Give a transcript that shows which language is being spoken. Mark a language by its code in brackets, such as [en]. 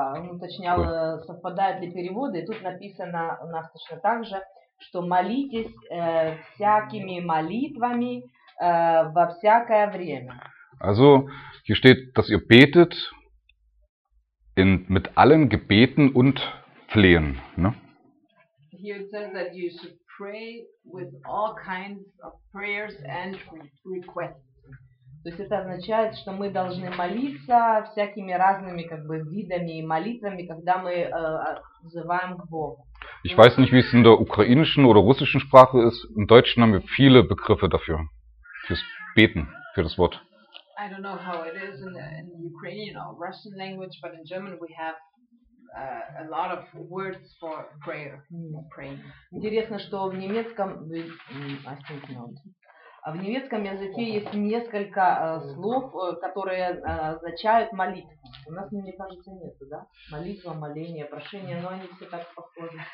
[ru] Уточнял, совпадают ли переводы. Тут написано у нас точно так же, что молитесь всякими молитвами во всякое время. [de] Also, hier steht, dass ihr betet in, mit allen Gebeten und Flehen. Ne? [en] Here it says that you should pray with all kinds of prayers and requests. [ru] То есть это означает, что мы должны молиться всякими разными как бы видами и молитвами, когда мы взываем к Богу. [de] Ich weiß nicht, wie es in der ukrainischen oder russischen Sprache ist. Im Deutschen haben wir viele Begriffe dafür, fürs Beten, für das Wort. [en] I don't know how it is in the Ukrainian or Russian language, but in German we have a lot of words for prayer. [ru] Интересно, что в немецком, в немецком языке есть несколько слов, которые означают молитву. У нас, мне кажется, нет, да? Молитва, моление, прошение, но они все так похожи.